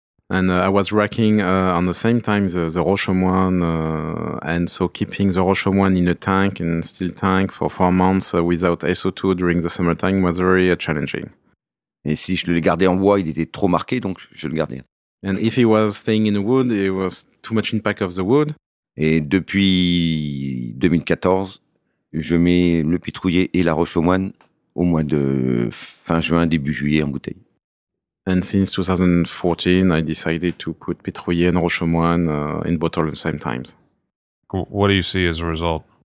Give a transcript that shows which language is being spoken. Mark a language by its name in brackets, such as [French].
[English] And I was racking on the same time the Roche aux Moines, and so keeping the Roche aux Moines in a tank, in a steel tank, for 4 months without SO2 during the summertime was very challenging. [French] Et si je le gardais en bois, il était trop marqué, donc je le gardais. [English] And if he was staying in the wood, it was too much impact of the wood. [French] Et depuis 2014, je mets le Pitrouillet et la Roche aux Moines au mois de fin juin, début juillet en bouteille. [English] And since 2014, I decided to put Pitrouillet and Roche aux Moines in bottle at the same time. What do you see as a result?